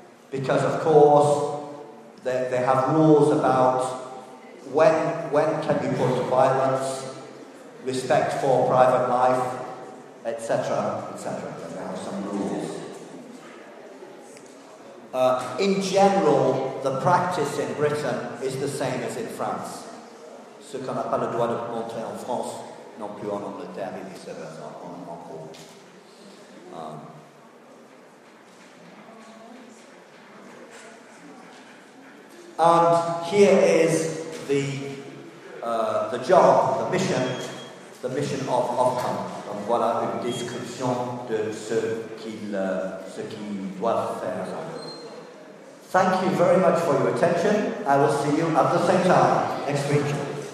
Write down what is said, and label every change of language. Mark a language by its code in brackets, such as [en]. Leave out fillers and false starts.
[en] Because, of course, they have rules about when can you put violence, respect for private life, etc., etc. They have some rules. In general, the practice in Britain is the same as in France. [fr] Ce qu'on n'a pas le droit de montrer en France, non plus en Angleterre, et vice-versa, en Angleterre. [en] And here is the job, the mission the mission of Ofcom. [fr] Donc voilà une description de ce qu'ils doivent faire. [en] Thank you very much for your attention. I will see you at the same time next week.